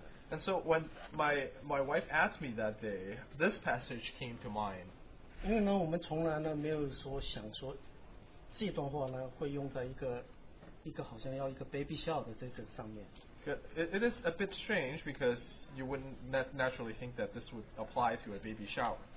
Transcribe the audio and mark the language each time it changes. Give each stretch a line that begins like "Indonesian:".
English: and so when my wife asked me that day, this passage came to mind.
Chinese: 因为呢,我们从来呢,没有说想说, 这段话呢会用在一个好像要一个baby笑的这个上面。
English: It is a bit strange because you wouldn't naturally think that this would apply to a baby shower.